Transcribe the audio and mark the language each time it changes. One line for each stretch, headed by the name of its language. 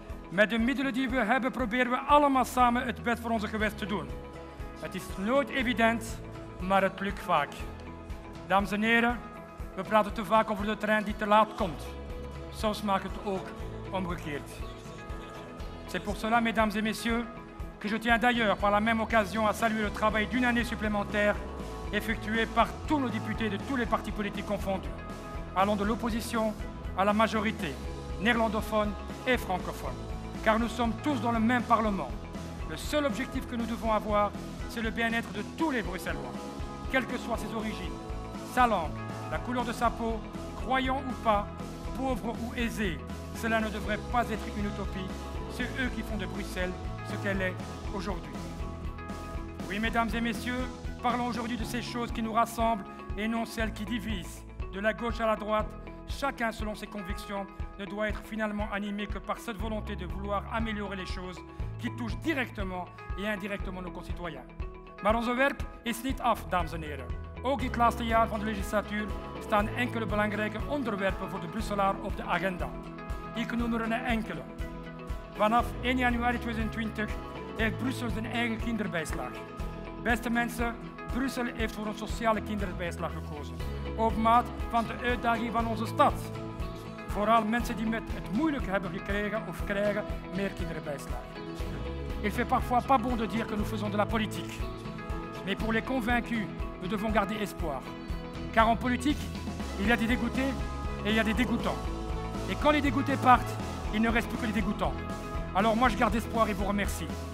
Dutch: Met de middelen die we hebben, proberen we allemaal samen het best voor onze gewest te doen. Het is nooit evident, maar het lukt vaak. Dames en heren, we praten te vaak over de trein die te laat komt. Soms maakt het ook omgekeerd.
French: C'est pour cela, mesdames et messieurs, que je tiens d'ailleurs par la même occasion à saluer le travail d'une année supplémentaire effectué par tous nos députés de tous les partis politiques confondus, allant de l'opposition à la majorité, néerlandophone et francophone. Car nous sommes tous dans le même Parlement. Le seul objectif que nous devons avoir, c'est le bien-être de tous les Bruxellois, quelles que soient ses origines, sa langue, la couleur de sa peau, croyant ou pas, pauvre ou aisé. Cela ne devrait pas être une utopie, c'est eux qui font de Bruxelles ce qu'elle est aujourd'hui. Oui, mesdames et messieurs, parlons aujourd'hui de ces choses qui nous rassemblent et non celles qui divisent. De la gauche à la droite, chacun selon ses convictions ne doit être finalement animé que par cette volonté de vouloir améliorer les choses qui touchent directement et indirectement nos concitoyens.
Dutch: Maar ons werk is niet af, dames en heren. Ook dit laatste jaar van de legislatuur staan enkele belangrijke onderwerpen voor de Brusselaar op de agenda. Ik noem er een enkele. Vanaf 1 januari 2020 heeft Brussel zijn eigen kinderbijslag. Beste mensen, Brussel heeft voor een sociale kinderbijslag gekozen. Op maat van de uitdaging van onze stad. Vooral mensen die het moeilijk hebben gekregen of krijgen meer kinderbijslag.
French: Il fait parfois pas bon de dire que nous faisons de la politique. Mais pour les convaincus, nous devons garder espoir. Car en politique, il y a des dégoûtés et il y a des dégoûtants. Et quand les dégoûtés partent, il ne reste plus que les dégoûtants. Alors moi, je garde espoir et vous remercie.